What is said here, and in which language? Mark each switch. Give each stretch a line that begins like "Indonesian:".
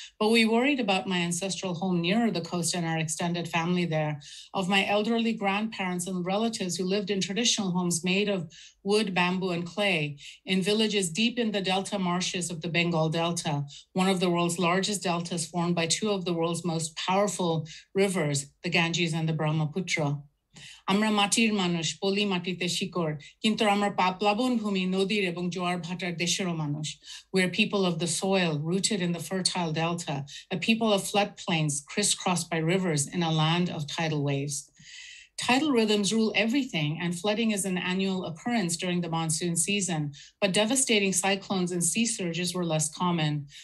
English: But we worried about my ancestral home nearer the coast and our extended family there, of my elderly grandparents and relatives who lived in traditional homes made of wood, bamboo, and clay in villages deep in the delta marshes of the Bengal Delta, one of the world's largest deltas formed by two of the world's most powerful rivers, the Ganges and the Brahmaputra.
Bangla: আমরা মাটির মানুষ, পলি মাটিতে শিকড়, কিন্তু আমরা পাপলাবন ভূমি, নদীর এবং জোয়ার ভাটার দেশেরও মানুষ.
English: We are people of the soil, rooted in the fertile delta, a people of floodplains crisscrossed by rivers in a land of tidal waves. Tidal rhythms rule everything, and flooding is an annual occurrence during the monsoon season, but devastating cyclones and sea surges were less common.